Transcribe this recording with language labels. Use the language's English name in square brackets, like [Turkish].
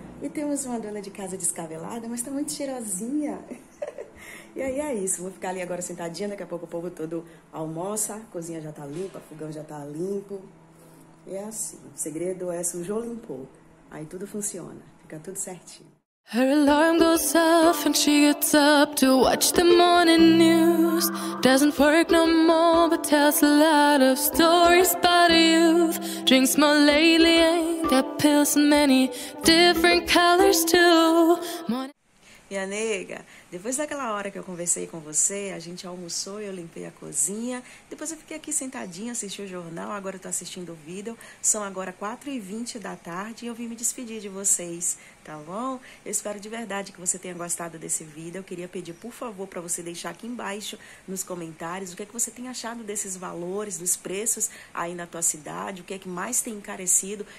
[Portuguese] E temos uma dona de casa descabelada, mas tá muito cheirosinha. E aí é isso, vou ficar ali agora sentadinha. Daqui a pouco o povo todo almoça, a cozinha já tá limpa, fogão já tá limpo. E é assim, o segredo é sujou, limpou. Aí tudo funciona, fica tudo certinho. [English] Her alarm goes off and she gets up to watch the morning news. Doesn't work no more, but tells a lot of stories about youth. Drinks more lately, ain't got pills in many different colors too. [Portuguese] Minha nega, depois daquela hora que eu conversei com você, a gente almoçou e eu limpei a cozinha. Depois eu fiquei aqui sentadinha, assisti o jornal, agora eu tô assistindo o vídeo. São agora 4h20 da tarde e eu vim me despedir de vocês, tá bom? Eu espero de verdade que você tenha gostado desse vídeo. Eu queria pedir, por favor, para você deixar aqui embaixo nos comentários o que é que você tem achado desses valores, dos preços aí na tua cidade, o que é que mais tem encarecido.